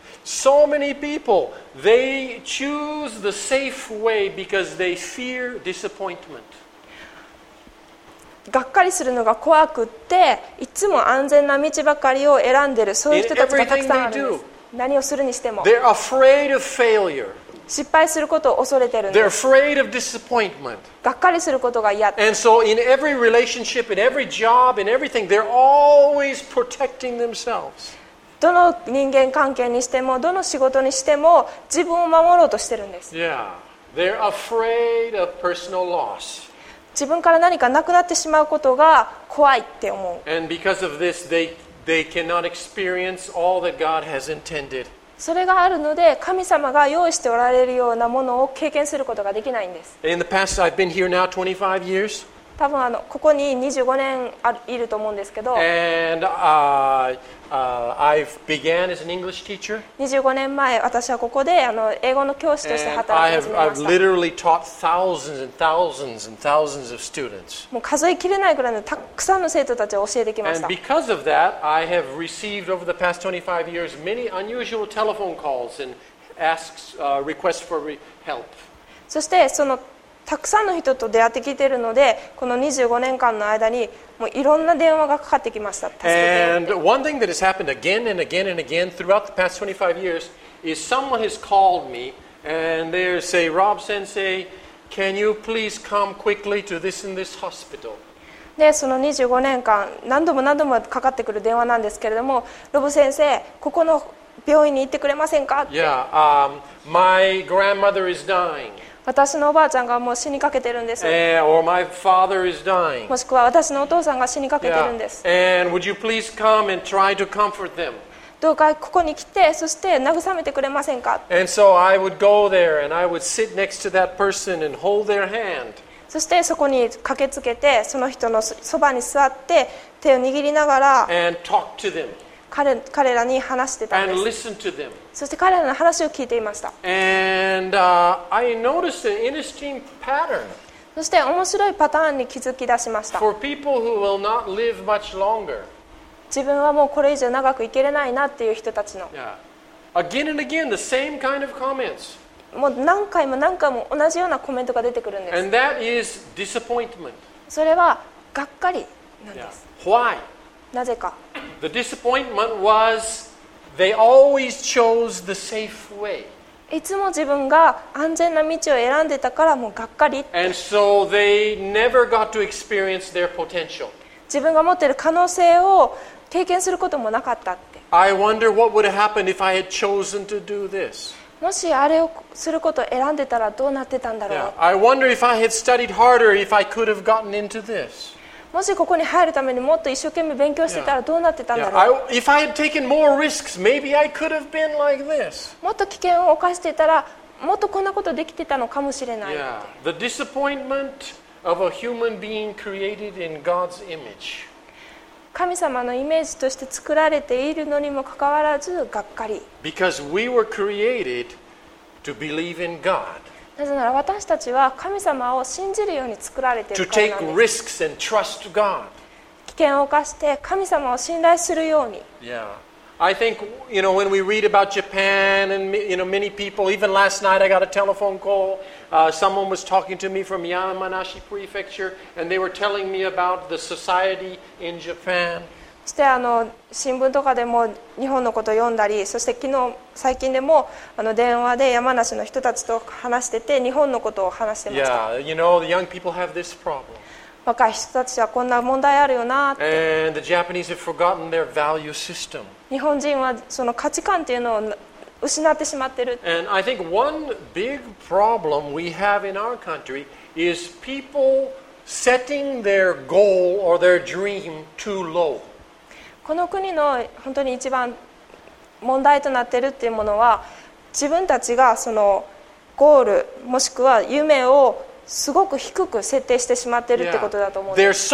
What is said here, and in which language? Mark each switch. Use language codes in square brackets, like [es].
[en] So many people, they choose the safe way because they fear disappointment. [ja] がっかりするのが怖くっていつも安全な道ばかりを選んでる、そういう人たちがたくさんあるんです。何をするにしても [en] They're afraid of failure. [ja] 失敗することを恐れてるんです。 [en] They're afraid of disappointment. [ja] がっかりすることが嫌。 [en] And so in every relationship, in every job, in everything, they're always protecting themselves. [ja] どの人間関係にしてもどの仕事にしても自分を守ろうとしてるんです。 [en] Yeah. They're afraid of personal loss. [ja] 自分から何かなくなってしまうことが怖いって思う。 [en] And because of this, they cannot experience all that God has intended. [ja] それがあるので神様が用意しておられるようなものを経験することができないんです。 [en] In the past, I've been here now 25 years. [ja] 多分ここに25年いると思うんですけど、 [en] I've began as an English teacher. [ja] 25年前私はここで英語の教師として働き始めました。 [en] I've literally taught thousands and thousands and thousands of students. [ja] もう数え切れないくらいのたくさんの生徒たちを教えてきました。 [en] And because of that, I have received over the past 25 years many unusual telephone calls and asks, requests for help. [ja] そしてそのたくさんの人と出会ってきているのでこの25年間の間にもういろんな電話がかかってきました。助けて。 [en] And one thing that has happened again and again and again throughout the past 25 years is someone has called me and they say, Rob Sensei, can you please come quickly to this and this hospital? [ja] でその25年間何度も何度もかかってくる電話なんですけれども、ロブ先生ここの病院に行ってくれませんかって。 [en] Yeah, my grandmother is dying. [ja] 私のおばあちゃんがもう死にかけてるんです。 [en] Or my father is dying. [ja] もしくは私のお父さんが死にかけてるんです。 [en] And would you please come and try to comfort them? [ja] どうかここに来て、そして慰めてくれませんか? [en] And so I would go there and I would sit next to that person and hold their hand. [ja] そしてそこに駆けつけて、その人のそばに座って手を握りながら [en] and talk to them. [ja] 彼らに話してたんです。 [en] And listen to them. [ja] そして彼らの話を聞いていました。 [en] And, I noticed an interesting pattern. [ja] そして面白いパターンに気づき出しました。 [en] For people who will not live much longer. [ja] 自分はもうこれ以上長く生きれないなっていう人たちの、 [en] yeah. Again and again, the same kind of comments. [ja] もう何回も何回も同じようなコメントが出てくるんです。 [en] And that is disappointment. [ja] それはがっかりなんです、 [en] yeah. Why? [ja] なぜか。 [en] The disappointment wasThey always chose the safe way. [ja] いつも自分が安全な道を選んでたからもうがっかりって。 [en] And so they never got to experience their potential. [ja] 自分が持ってる可能性を経験することもなかったって。 [en] I wonder what would have happened if I had chosen to do this. [ja] もしあれをすることを選んでたらどうなってたんだろう。 [en] Yeah. I wonder if I had studied harder if I could have gotten into this. [ja] もしここに入るためにもっと一生懸命勉強してたらどうなってたんだろう。 [en] Yeah. Yeah. If I had taken more risks, maybe I could have been like this. [ja] もっと危険を犯してたらもっとこんなことできてたのかもしれない。 [en] Yeah. The disappointment of a human being created in God's image. [ja] 神様のイメージとして作られているのにもかかわらずがっかり。 [en] Because we were created to believe in God. [ja] なぜなら私たちは神様を信じるように作られているからなんです。 [en] To take risks and trust God. [ja] 危険を犯して神様を信頼するように。 [en] Yeah. I think, you know, when we read about Japan and, you know, many people, even last night I got a telephone call. Someone was talking to me from Yamanashi Prefecture and they were telling me about the society in Japan. [ja] そして新聞とかでも日本のことを読んだり、そして昨日最近でも電話で山梨の人たちと話してて日本のことを話してました。 [en] Yeah, you know, the young people have this problem. [ja] 若い人たちはこんな問題あるよなって。 [en] And the Japanese have forgotten their value system. [ja] 日本人はその価値観っていうのを失ってしまってる。 [en] And I think one big problem we have in our country is people setting their goal or their dream too low. [ja] この国の本当に一番問題となっているっていうものは、自分たちがそのゴールもしくは夢をすごく低く設定してしまっているってことだと思うんです。